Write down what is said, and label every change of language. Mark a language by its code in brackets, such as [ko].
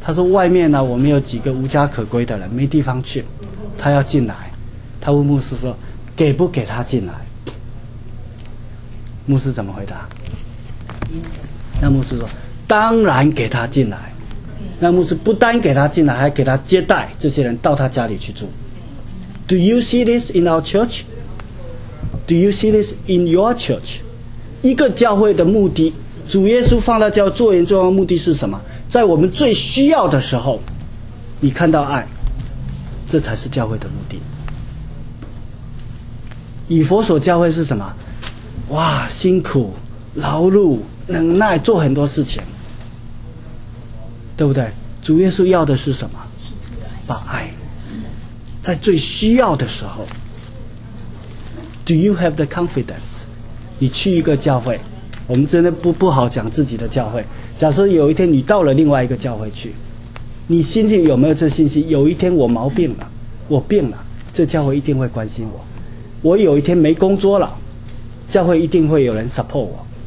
[zh] 他说：“外面呢，我们有几个无家可归的人，没地方去，他要进来。” 他问牧师说：“给不给他进来？” 牧师怎么回答？那牧师说：“当然给他进来。” 那牧师不单给他进来，还给他接待这些人到他家里去住。 [en] Do you see this in our church? Do you see this in your church? [zh] 一个教会的目的，主耶稣放到教会做人重要的目的是什么？在我们最需要的时候，你看到爱，这才是教会的目的。以弗所教会是什么？哇，辛苦、劳碌、忍耐，做很多事情，对不对？主耶稣要的是什么？把爱。在最需要的时候 [en] Do you have the confidence? [zh] 你去一个教会，我们真的不好讲自己的教会，假设有一天你到了另外一个教会去，你心里有没有这信心？有一天我毛病了，我病了，这教会一定会关心我。我有一天没工作了，教会一定会有人 support 我。